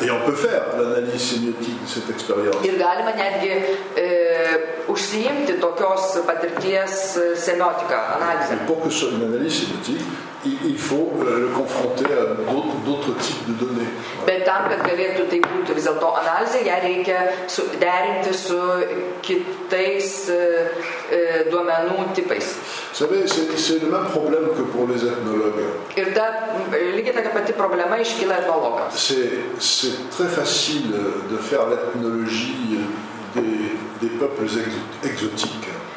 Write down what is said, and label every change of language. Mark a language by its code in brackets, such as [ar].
[fr] Et on peut faire l'analyse sémiotique de cette expérience. [lt] Ir galima netgi užsiimti tokios patirties semiotiką, analizę. [fr] Pour que ce soit une analyse sémiotique, il faut le confronter à d'autres types de données. [lt] Bet tam, kad galėtų tai būti vis dėlto analizė, ją reikia derinti su kitais duomenų nu tipais. [fr] C'est le même problème que pour les ethnologues. [lt] Ir ta, lygiai ta pati problema iškyla etnologams. [fr] C'est très facile de faire l'ethnologie des peuples exotiques.